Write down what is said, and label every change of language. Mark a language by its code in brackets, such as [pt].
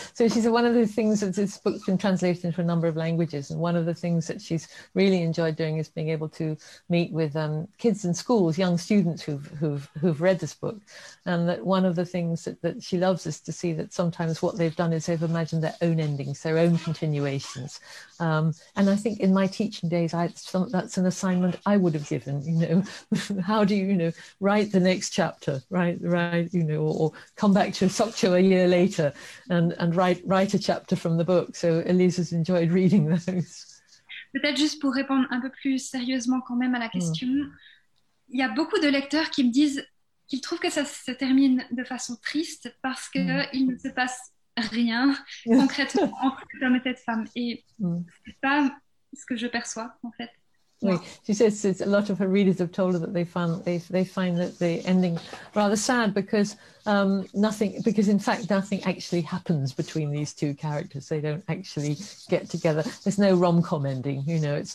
[en] So she said one of the things that this book's been translated into a number of languages, and one of the things that she's really enjoyed doing is being able to meet with kids in schools, young students who've read this book, and that one of the things that she loves is to see that sometimes what they've done is they've imagined their own endings, their own continuations. And I think in my teaching days, that's an assignment I would have given. You know, how do you know write the next chapter, right, you know, or come back to Sokcho a year later and write a chapter from the book. So Elisa's enjoyed reading those. [fr] Peut-être juste pour répondre un peu plus sérieusement quand même à la question, il y a beaucoup de lecteurs qui me disent qu'ils trouvent que ça se termine de façon triste parce que il ne se passe rien concrètement entre hommes et femmes, et c'est pas ce que je perçois en fait. Oui. [en] She says it's a lot of her readers have told her that they find that the ending rather sad because in fact nothing actually happens between these two characters. They don't actually get together. There's no rom-com ending, you know.